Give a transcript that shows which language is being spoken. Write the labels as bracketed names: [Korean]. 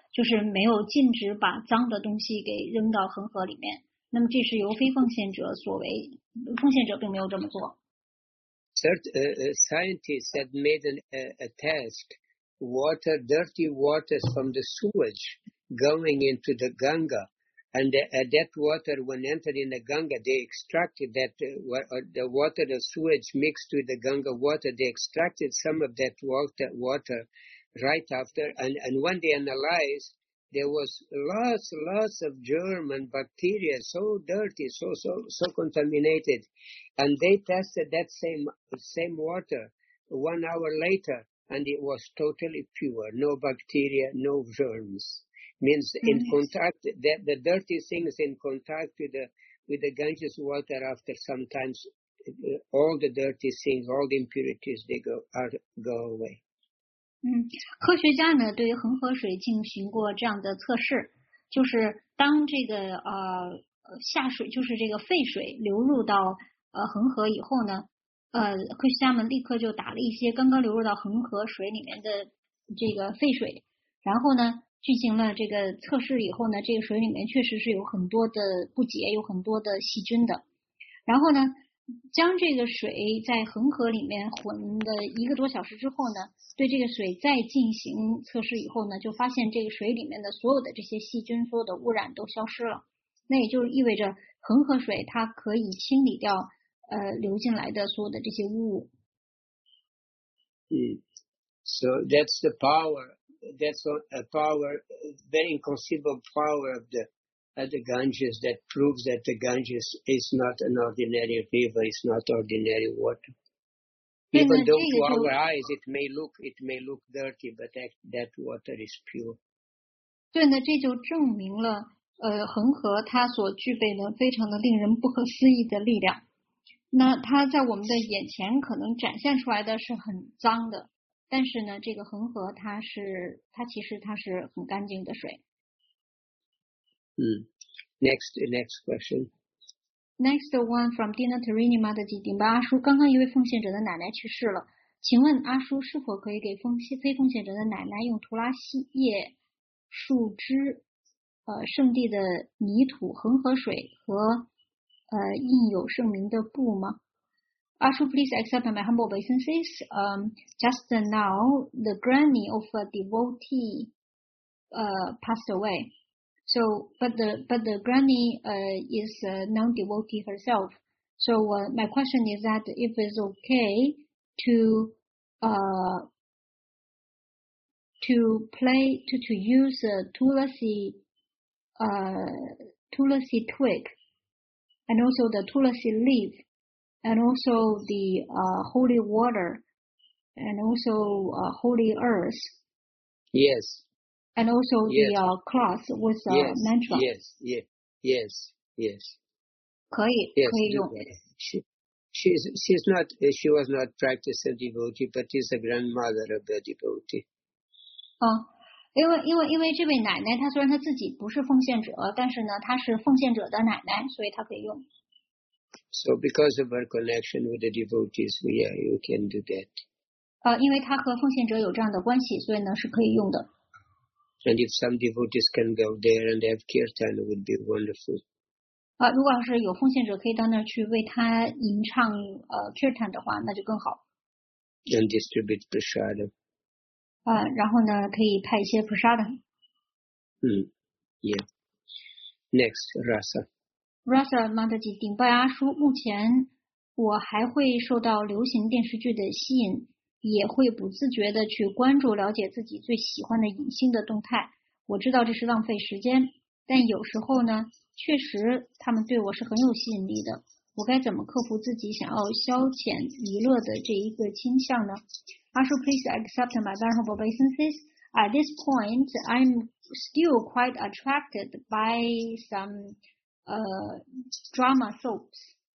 [Chinese] 就是没有禁止把脏的东西给扔到恒河里面，那么这是由非奉献者所为，奉献者并没有这么做。 [English] Scientists had made a test: water, dirty waters from the sewage going into the Ganga, and that water when entered in the Ganga, they extracted that the water, the sewage mixed with the Ganga water, they extracted some of that water. Right after, and when they analyzed, there was lots of germ and bacteria, so dirty, so contaminated. And they tested that same water 1 hour later, and it was totally pure, no bacteria, no germs. Means in contact, that the dirty things in contact with the Ganges water after sometimes, all the dirty things, all the impurities, they go away. [Chinese] 科学家呢对恒河水进行过这样的测试，就是当这个下水，就是这个废水流入到恒河以后呢，科学家们立刻就打了一些刚刚流入到恒河水里面的这个废水，然后呢进行了这个测试以后呢，这个水里面确实是有很多的不洁，有很多的细菌的，然后呢将这个水在恒河里面混了一个多小时之后呢，对这个水再进行测试以后呢，就发现这个水里面的所有的这些细菌、所有的污染都消失了。那也就意味着恒河水它可以清理掉流进来的所有的这些污物。 [English] 嗯 ，so that's the power. That's a power, very inconceivable power of the Ganges that proves that the Ganges is not an ordinary river, it's not ordinary water. Even though to our eyes it may look dirty, but that water is pure. [Chinese] 对呢，这就证明了恒河它所具备的非常的令人不可思议的力量。那它在我们的眼前可能展现出来的是很脏的，但是呢，这个恒河它其实是很干净的水。 [English] Next question. Next one from Dina Tarini Madaji Dimba. [Chinese] 阿叔，刚刚一位奉献者的奶奶去世了，请问阿叔是否可以给非奉献者的奶奶用图拉叶树枝、圣地的泥土、恒河水和印有圣名的布吗？ [English] 阿叔 ，please accept my humble obeisances. Just now, the granny of a devotee passed away. So, but the granny is a non-devotee herself. So, my question is that if it's okay to use a tulasi twig, and also the tulasi leaf, and also the holy water, and also holy earth. Yes. And also yes. the cloth with the yes, mantra. Yes. [Chinese] 可以 [English] ，yes, [Chinese] 可以用。 [English] She was not practicing devotee, but is a grandmother of a devotee. [Chinese] 因为这位奶奶，她虽然她自己不是奉献者，但是呢，她是奉献者的奶奶，所以她可以用。 [English] So because of her connection with the devotees, yeah, you can do that. [Chinese] 因为她和奉献者有这样的关系，所以呢是可以用的。 [English] And if some devotees can go there and have kirtan, it would be wonderful. [Chinese] 如果是有奉献者可以到那儿去为他吟唱kirtan 的话，那就更好。 [English] And distribute prasada. [Chinese] 然后呢，可以派一些 prasada. [English] Yeah. Next, Rasa. [Chinese] Rasa, Mataji, Dingbai 阿叔，目前我还会受到流行电视剧的吸引。也会不自觉地去关注了解自己最喜欢的影星的动态，我知道这是浪费时间，但有时候呢，确实他们对我是很有吸引力的，我该怎么克服自己想要消遣娱乐的这一个倾向呢？ [English] 阿叔 ，please accept my vulnerable basis. At this point, I'm still quite attracted by some drama soaps.